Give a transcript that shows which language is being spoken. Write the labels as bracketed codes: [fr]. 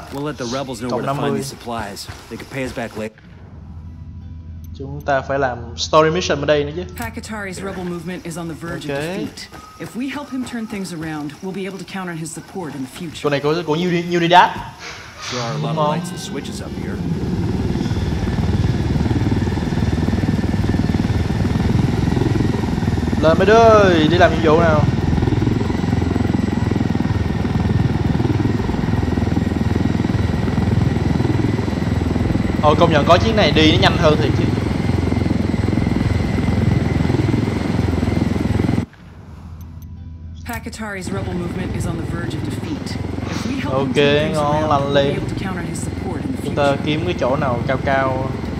[en] We'll let the rebels know where to find these supplies. They could pay us back later. [vi] Chúng ta phải làm story mission ở đây nữa chứ. [en] Pakatari's rebel movement is on the verge of defeat. If we help him turn things around, we'll be able to count on his support in the future. [vi] Con này có Unidad. [en] There are a lot of lights and switches up here. [vi] Lên mấy đứa ơi, đi làm nhiệm vụ nào. Ờ, công nhận có chiếc này đi nó nhanh hơn thiệt chứ. [en] Pakatari's rebel movement is on the verge of defeat. [vi] Ok, ngon lành lên. Chúng ta kiếm cái chỗ nào cao cao.